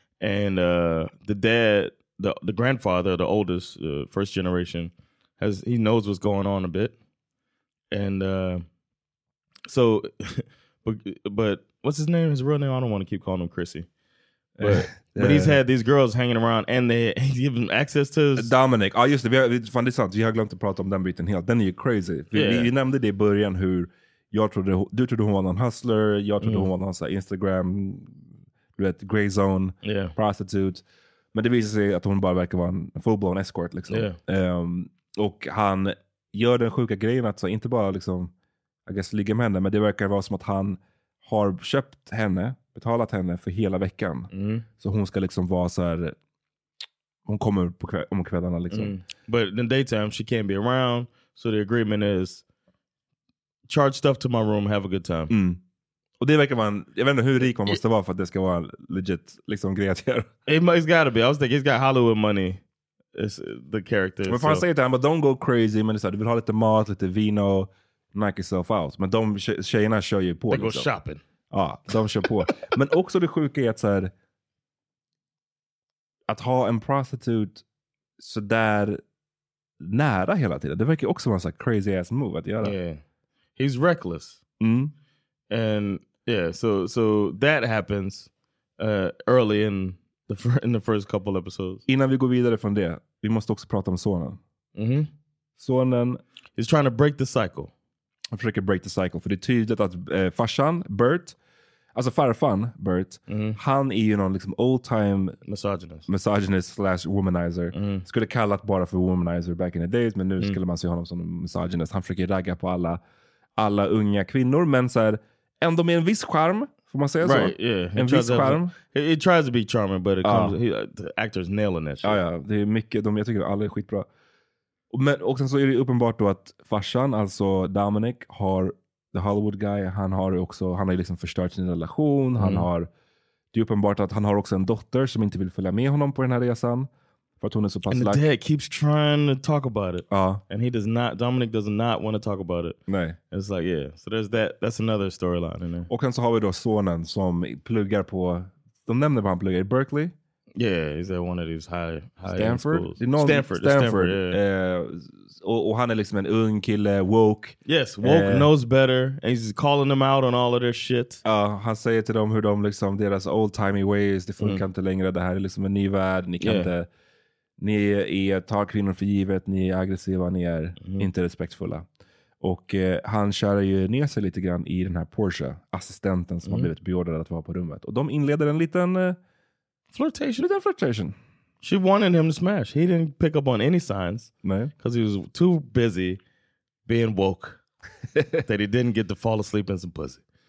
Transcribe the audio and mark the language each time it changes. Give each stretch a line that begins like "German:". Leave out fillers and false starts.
English: And the dad, the grandfather, the oldest, first generation, he knows what's going on a bit. And so, but what's his name? His real name? I don't want to keep calling him Chrissy. But he's had these girls hanging around, and he gave him access to his...
Swedish: Dominic. Ja, just det. Vi har glömt att prata om den biten helt. Den är ju crazy. Vi nämnde det i början, hur du trodde hon var någon hustler. Jag trodde hon var någon så här Instagram, du vet,
English: gray zone, prostitute.
Swedish: Men det visar sig att hon bara verkar vara en full-blown escort, liksom.
English: Yeah.
Swedish: Och han gör den sjuka grejen att så inte bara liksom,
English: I guess,
Swedish: ligga med henne, men det verkar vara som att han har köpt henne, betalat henne för hela veckan. Mm. Så hon ska liksom vara så här, hon kommer på om kvällarna liksom. Mm.
English: But in the daytime she can't be around, so the agreement is charge stuff to my room, have a good time. Mm.
Swedish: Och det verkar vara en, jag vet inte hur rik man måste vara för att det ska vara legit liksom grej att göra.
English: It's gotta be. I was thinking he's got Hollywood money. It's the character.
Swedish: Men fan, säg det här,
English: but don't go crazy.
Swedish: Men du vill ha lite mat, lite vino,
English: knock yourself out.
Swedish: Men de tjejerna kör ju på.
English: They go shopping.
Swedish: Ja, de kör på. Men också det sjuka är att så här, att ha en prostitute så där nära hela tiden, det verkar också vara en så här
English: crazy ass move
Swedish: att göra.
English: Yeah. He's reckless. Mm. And yeah, so that happens early in the first couple episodes.
Swedish: Innan vi går vidare från det, vi måste också prata om sonen. Mm-hmm. Sonen
English: is trying to break the cycle.
Swedish: Han försöker
English: break the cycle,
Swedish: för det är tydligt att farsan, Bert, alltså farfan Bert, han är ju någon liksom
English: old time misogynist slash womanizer. Mm.
Swedish: Skulle kallat bara för womanizer
English: back in the days,
Swedish: men nu skulle man se honom som misogynist. Han försöker ragga på alla unga kvinnor, men så här, ändå med en viss charm, får man säga,
English: right,
Swedish: så?
English: Yeah.
Swedish: En viss charm.
English: It tries to be charming, but it comes, the actor's nailing it.
Swedish: Ja, det är mycket, jag tycker alla är skitbra. Men, och sen så är det uppenbart då att farsan, alltså Dominic, har
English: the Hollywood guy,
Swedish: han har liksom förstört sin relation, det är uppenbart att han har också en dotter som inte vill följa med honom på den här resan, för att hon är så pass lack.
English: And the dad keeps trying to talk about it.
Swedish: Ja.
English: And he does not, Dominic does not want to talk about it.
Swedish: Nej.
English: And it's like, yeah, so there's that, that's another storyline in there.
Swedish: Och sen så har vi då sonen som pluggar på, de nämner vad han pluggar i, Berkeley.
English: Yeah, he's at one of these high Stanford? Schools. Stanford. Yeah.
Swedish: Och han är liksom en ung kille, woke.
English: Yes, woke knows better. And he's calling them out on all of their shit.
Swedish: Han säger till dem hur de liksom, deras
English: old timey ways,
Swedish: det funkar inte längre. Det här är liksom en ny värld. Ni tar kvinnor för givet, ni är aggressiva, ni är inte respektfulla. Och han kör ju ner sig lite grann i den här Porsche, assistenten som har blivit beordrad att vara på rummet. Och de inleder en liten...
English: Flirtation. She wanted him to smash. He didn't pick up on any signs.
Swedish: Nej.
English: Because he was too busy being woke that he didn't get to fall asleep in some pussy.